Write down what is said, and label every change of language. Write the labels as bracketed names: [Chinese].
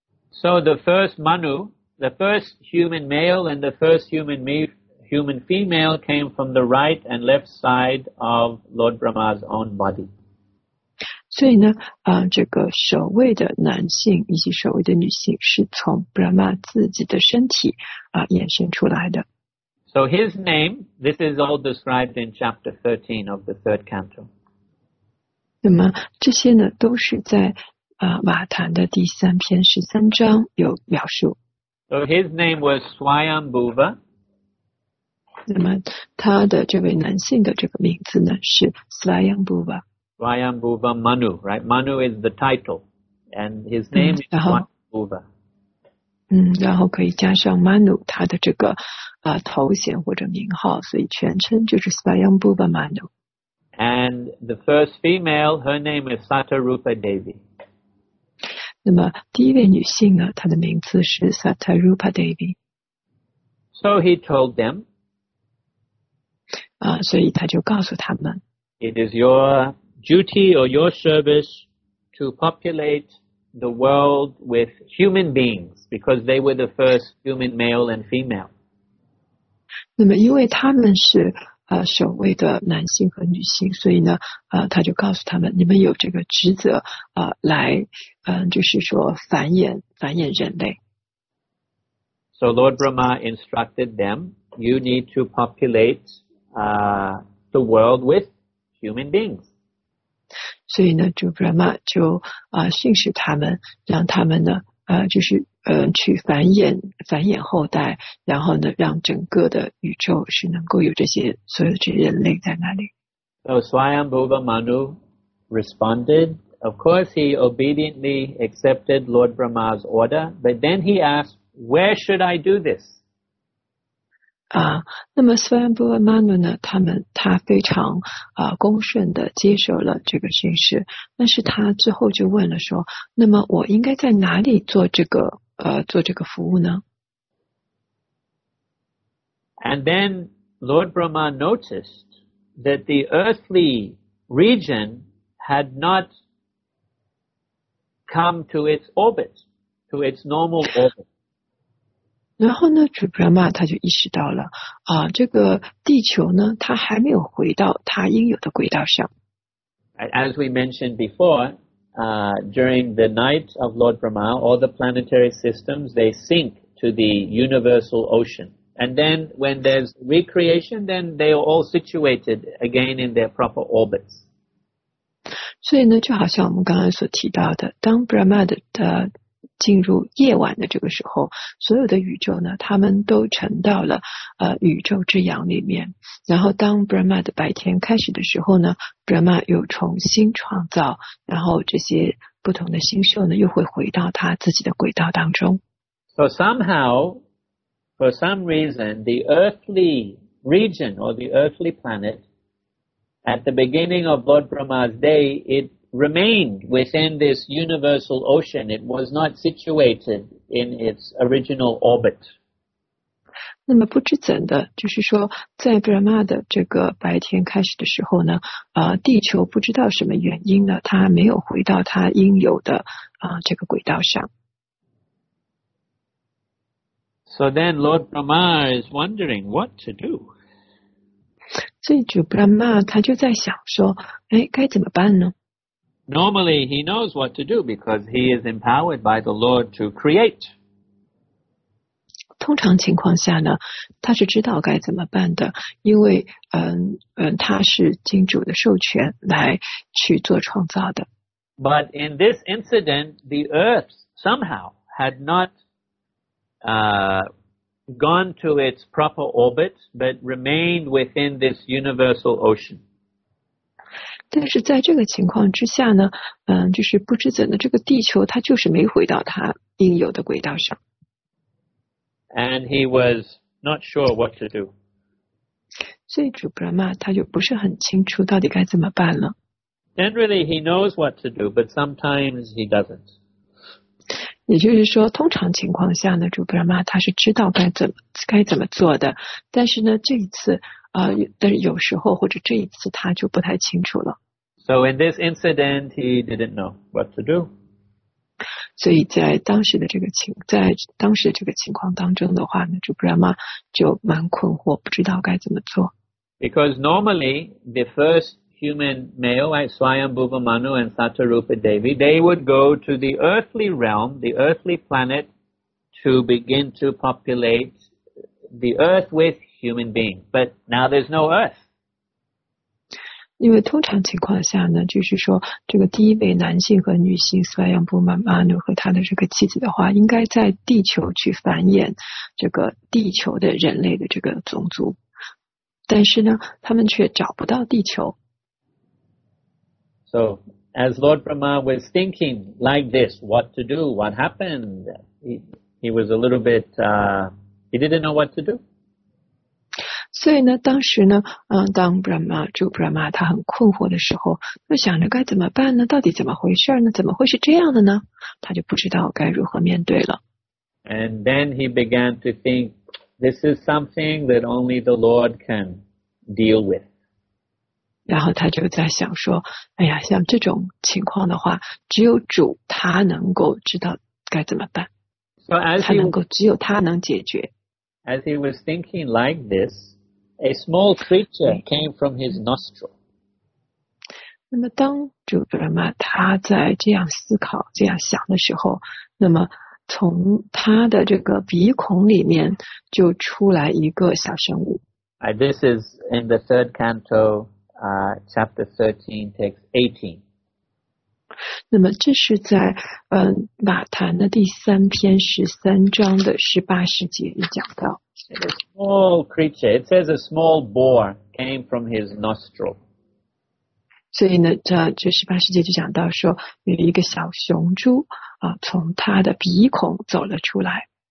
[English] So the first Manu. The first human male and the first human female came from the right and left side of Lord Brahma's own body. [Chinese] 所以呢，这个首位的男性以及首位的女性是从 Brahma 自己的身体衍生出来的。 [English] So his name, this is all described in chapter 13 of the third canto. [Chinese] 那么这些呢，都是在瓦坛的第三篇十三章有描述。 [English] So his name was Swayambhuva. [Chinese] 那么他的这位男性的这个名字呢是 Swayambhuva. [English] Swayambhuva Manu, right? Manu is the title. And his name is Swayambhuva. [Chinese] 然后可以加上 Manu, 他的这个头衔或者名号所以全称就是 Swayambhuva Manu. [English] And the first female, her name is Satarupa Devi. [Chinese] 那么第一位女性呢她的名字是 Satarupa Devi [English] So he told them [Chinese] 所以他就告诉他们 [English] It is your duty or your service to populate the world with human beings because they were the first human male and female [Chinese] 那么因为他们是守卫的男性和女性，所以呢，他就告诉他们，你们有这个职责来就是说繁衍人类。 [English] So Lord Brahma instructed them, you need to populate the world with human beings. [Chinese] 所以呢，主 Brahma 就训斥他们，让他们呢就是去繁衍后代，然后呢让整个的宇宙是能够有这些所有这些人类在那里。 [English] So Swayambhuva Manu responded, of course he obediently accepted Lord Brahma's order, but then he asked, where should I do this? [Chinese] 那么 Swayambhuva Manu 呢，他非常恭顺的接受了这个训示，但是他最后就问了说，那么我应该在哪里做这个做这个服务呢？ [English] And then Lord Brahma noticed that the earthly region had not come to its orbit, to its normal orbit. [Chinese] 然后呢，主 Brahma 他就意识到了这个地球呢，它还没有回到它应有的轨道上。 [English] As we mentioned before, during the night of Lord Brahma, all the planetary systems, they sink to the universal ocean. And then when there's recreation, then they are all situated again in their proper orbits. [Chinese] 所以呢，就好像我们刚刚所提到的，当 Brahma 的进入夜晚的这个时候，所有的宇宙呢，他们都沉到了宇宙之阳里面。然后当 Brahma 的白天开始的时候呢， Brahma 又重新创造，然后这些不同的星宿呢，又会回到他自己的轨道当中。 [English] So somehow, for some reason, the earthly region or the earthly planet, at the beginning of Lord Brahma's day, itremained within this universal ocean. It was not situated in its original orbit. [Chinese] 那么不知怎的，就是说在 Brahma 的这个白天开始的时候呢，地球不知道什么原因呢，它没有回到它应有的这个轨道上。 [English] So then Lord Brahma is wondering what to do. [Chinese] 所以主 Brahma 他就在想说，哎，该怎么办呢？ [English] Normally, he knows what to do because he is empowered by the Lord to create. [Chinese] 通常情况下呢，他是知道该怎么办的，因为他是经主的授权来去做创造的。 [English] But in this incident, the earth somehow had not gone to its proper orbit, but remained within this universal ocean. [Chinese] 但是在这个情况之下呢，就是不知怎的，这个地球它就是没回到它应有的轨道上。 [English] And he was not sure what to do. [Chinese] 所以主 Brahma 他就不是很清楚到底该怎么办了。 [English] Generally he knows what to do, but sometimes he doesn't. [Chinese] 也就是说，通常情况下呢，主 Brahma 他是知道该怎么做的，但是呢，这一次。但是有时候或者这一次他就不太清楚了。 [English] So in this incident, he didn't know what to do. [Chinese] 所以在当时的这个情况当中的话呢，主 Brahma 就蛮困惑，不知道该怎么做。 [English] Because normally, the first human male, like Swayambhuva Manu and Satarupa Devi, they would go to the earthly realm, the earthly planet, to begin to populate the earth withhuman being, but now there's no earth. [Chinese] 因为通常情况下呢，就是说这个第一位男性和女性 Swayambhuva Manu 和他的这个妻子的话，应该在地球去繁衍这个地球的人类的这个种族，但是呢，他们却找不到地球。 [English] So as Lord Brahma was thinking like this, what to do, what happened, he was a little bit, he didn't know what to do. [Chinese] 所以呢，当时呢，当 Brahma 主 Brahma 他很困惑的时候，又想着该怎么办呢？到底怎么回事呢？怎么会是这样的呢？他就不知道该如何面对了。 [English] And then he began to think, this is something that only the Lord can deal with. [Chinese] 然后他就在想说，哎呀，像这种情况的话，只有主他能够知道该怎么办。 [English] So as he, [Chinese] 他能够只有他能解决。 [English] As he was thinking like this, A small creature came from his nostril. [Chinese] 那么当主格拉玛他在这样思考这样想的时候，那么从他的这个鼻孔里面就出来一个小生物。 [English] This is in the third canto, chapter 13, text 18. [Chinese] 那么这是在马坛的第三篇十三章的十八十节里讲到。 [English] And a small creature, it says a small boar came from his nostril. [Chinese] 所以呢，这十八世纪就讲到说，有一个小雄猪从他的鼻孔走了出来。